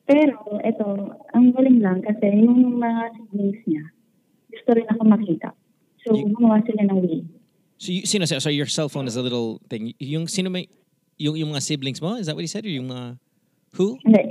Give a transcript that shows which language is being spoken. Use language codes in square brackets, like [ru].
[tl] Pero ito, ang galing lang kasi yung mga siblings niya, gusto rin ako makita. So gumawa sila ng way. [en] So you, sino, sorry, your cell phone is a little thing. [tl] Yung sino may yung mga siblings mo? [en] Is that what he said? Or yung who?